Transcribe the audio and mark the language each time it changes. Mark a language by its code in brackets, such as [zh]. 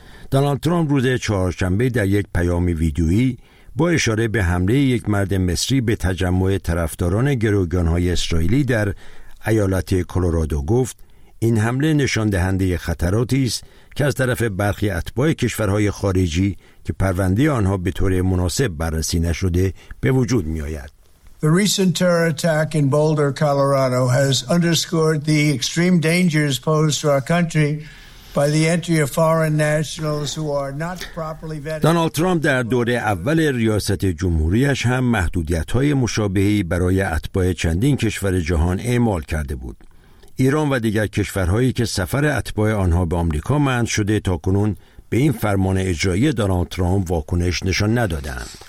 [fa] دونالد ترامپ روز چهارشنبه در یک پیام ویدیویی با اشاره به حمله یک مرد مصری به تجمع طرفداران گروگان های اسرائیلی در ایالت کلرادو گفت: این حمله نشان دهنده خطراتی است که از طرف برخی اتباع کشورهای خارجی که پرونده آنها به طور مناسب بررسی نشده به وجود می آید. [en] The recent terror attack in Boulder, Colorado has underscored the extreme dangers posed to our country by the entry of foreign nationals who are not properly vetted. [fa] دونالد ترامپ در دوره اول ریاست جمهوریش هم محدودیت‌های مشابهی برای اتباع چندین کشور جهان اعمال کرده بود. ایران و دیگر کشورهایی که سفر اتباع آنها به آمریکا منع شده تا کنون به این فرمان اجرایی دونالد ترامپ واکنش نشان ندادند.